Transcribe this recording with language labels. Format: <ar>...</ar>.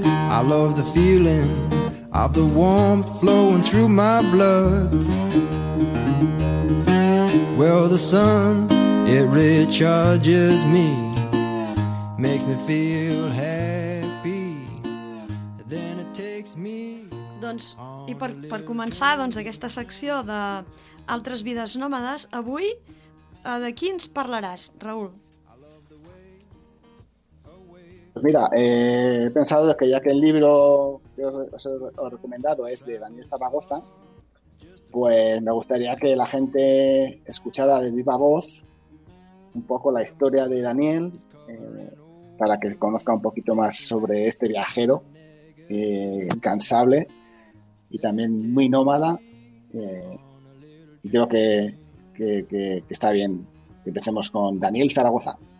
<en>I love the feeling of the warmth flowing through my blood. Well, the sun, it recharges me, makes me feel happy. Then it takes me.</en> <ca>Doncs, i per començar, doncs, aquesta secció de altres vides nòmades, avui de qui ens parlaràs, Raúl?</ca> <es>Pues mira, he pensado que ya que el libro que os he recomendado es de Daniel Zaragoza, pues me gustaría que la gente escuchara de viva voz un poco la historia de Daniel, para que conozca un poquito más sobre este viajero incansable y también muy nómada, y creo que</es> <ca>està bé</ca> <es>que empecemos con Daniel Zaragoza.</es>